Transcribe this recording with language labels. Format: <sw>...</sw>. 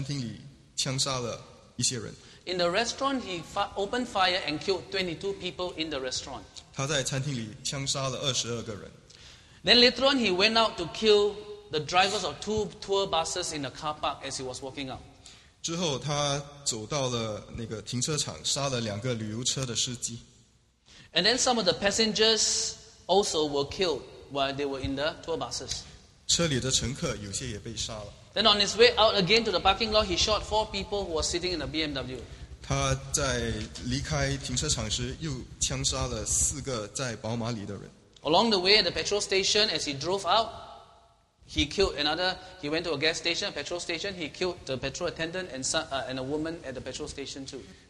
<zh>1996年4月的时候，一个持枪的匪徒在餐厅里枪杀了一些人。</zh> <en>In the restaurant, he opened fire and killed 22 people in the restaurant.</en> <zh>他在餐厅里枪杀了22个人。</zh> <en>Then later on, he went out to kill the drivers of two tour buses in the car park as he was walking out.</en> <zh>之后他走到了那个停车场，杀了两个旅游车的司机。</zh> <en>And then some of the passengers also were killed while they were in the tour buses.</en> <zh>车里的乘客有些也被杀了。</zh> <en>Then on his way out again to the parking lot, he shot four people who were sitting in a BMW.</en> <zh>他在离开停车场时，又枪杀了四个在宝马里的人。</zh> <en>Along the way at the petrol station, as he drove out, he killed another. He went to a gas station, a petrol station. He killed the petrol attendant and a woman at the petrol station too.</en>